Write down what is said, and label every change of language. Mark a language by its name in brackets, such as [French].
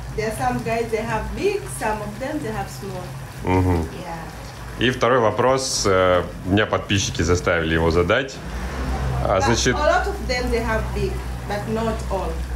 [English] There are some guys they have big, some of them they have small. Mm-hmm. Yeah. [Russian] И второй вопрос, меня подписчики заставили его задать. [English] Значит, a lot of them they have big, but not all.